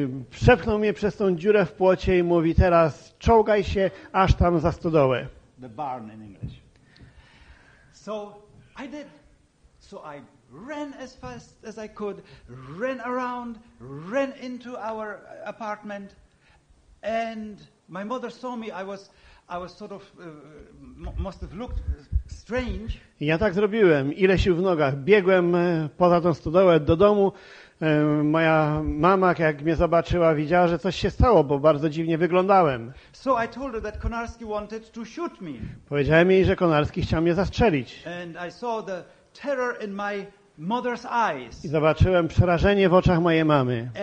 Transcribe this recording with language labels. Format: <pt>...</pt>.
<pl>Przepchnął mnie przez tą dziurę w płocie i mówi: "Teraz czołgaj się aż tam za stodołę."</pl> <en>The barn in English. So I did. So I ran as fast as I could, ran around, ran into our apartment, and my mother saw me. I was sort of must have looked strange.</en> <pl>Ja tak zrobiłem, ile sił w nogach. Biegłem poza tą stodołę do domu. Moja mama, jak mnie zobaczyła, widziała, że coś się stało, bo bardzo dziwnie wyglądałem.</pl> <en>So I told her that Konarski wanted to shoot me.</en> <pl>Powiedziałem jej, że Konarski chciał mnie zastrzelić.</pl> <en>And I saw the terror in my mother's eyes.</en> <pl>I zobaczyłem przerażenie w oczach mojej mamy.</pl>